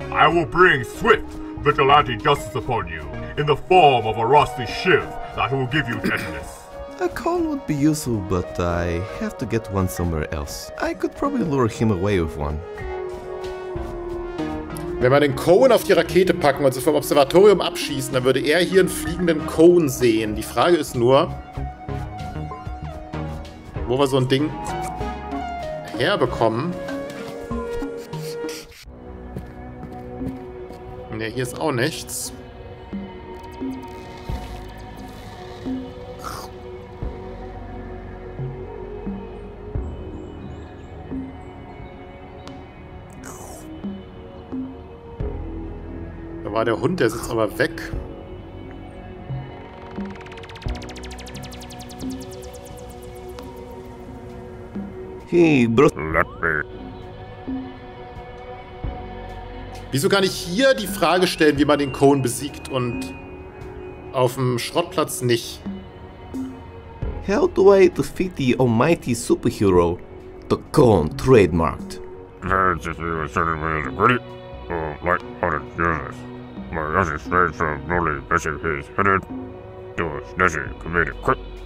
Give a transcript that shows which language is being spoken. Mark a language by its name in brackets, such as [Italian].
[English] I will bring swift vigilante justice upon you in the form of a rusty shiv that will give you tetanus. A cone would be useful, but I have to get one somewhere else. I could probably lure him away with one. [German] Wenn wir den Cone auf die Rakete packen und sie vom Observatorium abschießen, dann würde hier einen fliegenden Cone sehen. Die Frage ist nur, wo wir so ein Ding herbekommen. Ja, hier ist auch nichts. Da war der Hund, der sitzt aber weg. [English] Hey, Bro. [German] Wieso kann ich hier die Frage stellen, wie man den Cone besiegt und auf dem Schrottplatz nicht? [English] How do I defeat the almighty superhero, the Cone trademarked? Parents, if you are certain we are great, or light-hearted journalist, my ass is straight from Nolly Bessie his headed, to a snazzy comedic quip.